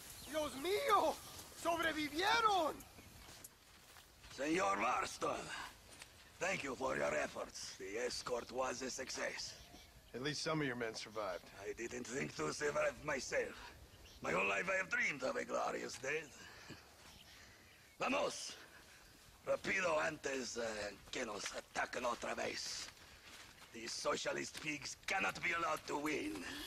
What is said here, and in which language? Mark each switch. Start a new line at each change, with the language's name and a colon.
Spanish: Dios mío! Sobrevivieron!
English: Señor Marston, thank you for your efforts. The escort was a success. At least some of your men survived. I didn't think to survive myself. My whole life I have dreamed of a glorious death.
Spanish: Vamos! Rapido antes que nos ataquen otra vez.
English: These socialist pigs cannot be allowed to win.